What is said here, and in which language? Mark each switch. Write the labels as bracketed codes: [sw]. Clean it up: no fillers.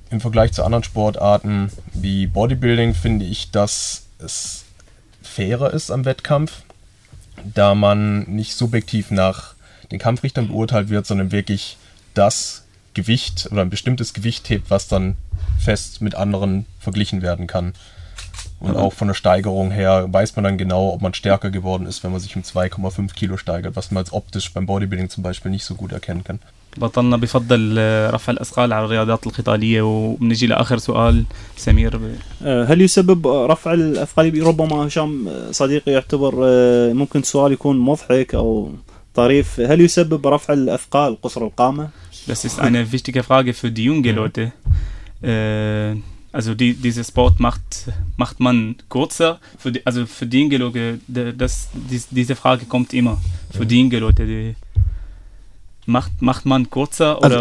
[de] Im Vergleich zu anderen Sportarten wie Bodybuilding finde ich, dass es fairer ist am Wettkampf, da man nicht subjektiv nach den Kampfrichtern beurteilt wird, sondern wirklich das Gewicht oder ein bestimmtes Gewicht hebt, was dann fest mit anderen verglichen werden kann. Und auch von der Steigerung her weiß man dann genau, ob man stärker geworden ist, wenn man sich um 2,5 Kilo steigert, was man als optisch beim Bodybuilding zum Beispiel nicht so gut erkennen kann. [ar] بطلنا بفضل رفع الأثقال على الرياضات القتالية وبنجي لآخر سؤال سمير هل يسبب رفع الأثقال ربما هشام صديقي يعتبر ممكن سؤال يكون مضحك أو طريف هل يسبب رفع الأثقال قصر القامة؟ [de] Das ist eine wichtige Frage für die jungen Leute. Also dieser Sport macht man kürzer. Für die jungen Leute, diese Frage kommt immer. Für die jungen Leute, die Macht man kürzer oder,